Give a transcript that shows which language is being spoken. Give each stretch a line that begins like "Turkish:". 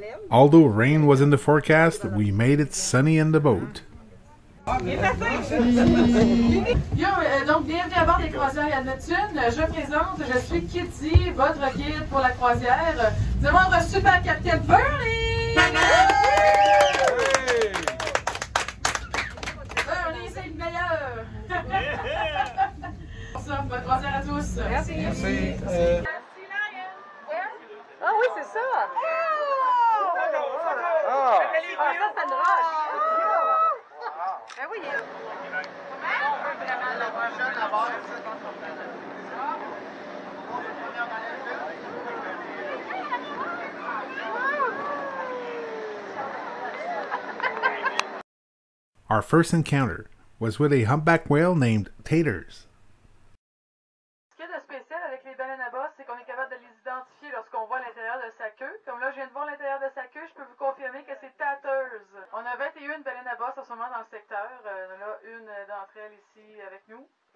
English: Although rain was in the forecast, we made it sunny in the boat.
French: Yo, donc bienvenue à bord des croisières à Neptune. Je présente, je suis Kitty, votre guide pour la croisière. Nous avons un super capitaine Bernie! Bernie, c'est le meilleur! Bonne croisière à tous! Merci! Merci! Ah oui, c'est ça!
English: Our first encounter was with a humpback whale named Taters.
French: Ce qui est de spécial avec les baleines à bosse, c'est qu'on est capable de les identifier lorsqu'on voit l'intérieur de sa queue. Comme là, je viens de voir l'intérieur de sa queue, je peux vous confirmer que c'est Taters. On a 21 baleines à bosse en ce moment dans le secteur. On a une d'entre elles ici avec nous.